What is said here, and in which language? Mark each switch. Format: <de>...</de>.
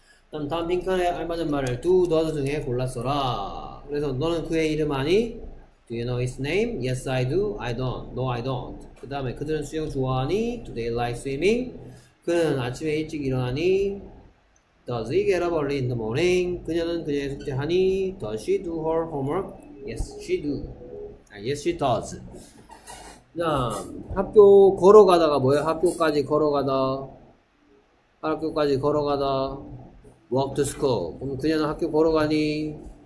<ko>그 다음 빈칸에 알맞은 말을 두 너드 중에 골랐어라. 그래서 너는 그의 이름 아니?</ko> <en>Do you know his name? Yes, I do. I don't. No, I don't.</en> <ko>그 다음에 그들은 수영 좋아하니?</ko> <en>Do they like swimming?</en> <ko>그는 아침에 일찍 일어나니?</ko> <en>Does he get up early in the morning?</en> <ko>그녀는 그녀의 숙제하니?</ko> <en>Does she do her homework? Yes, she do. Yes, she does.</en> <ko>자, 학교 걸어가다가 뭐예요? 학교까지 걸어가다. 학교까지 걸어가다.</ko> <en>Walk to school.</en> <ko>그럼 그녀는 학교 걸어가니?</ko>